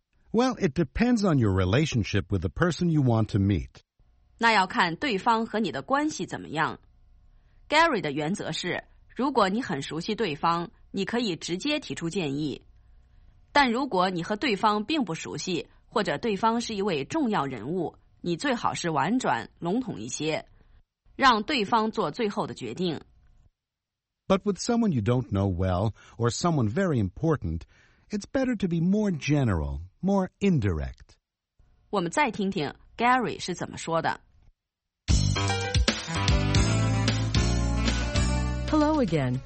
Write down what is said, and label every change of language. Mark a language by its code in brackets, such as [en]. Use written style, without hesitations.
[en] Well, it depends on your relationship with the person you want to meet. [zh] 那要看对方和你的关系怎么样。Gary 的原则是，如果你很熟悉对方，你可以直接提出建议。但如果你和对方并不熟悉，或者对方是一位重要人物，你最好是婉转、笼统一些，让对方做最后的决定。 [en] But with someone you don't know well, or someone very important, it's better to be more general. More indirect. [zh] 我们再听听 Gary 是怎么说的。 [en] Hello again.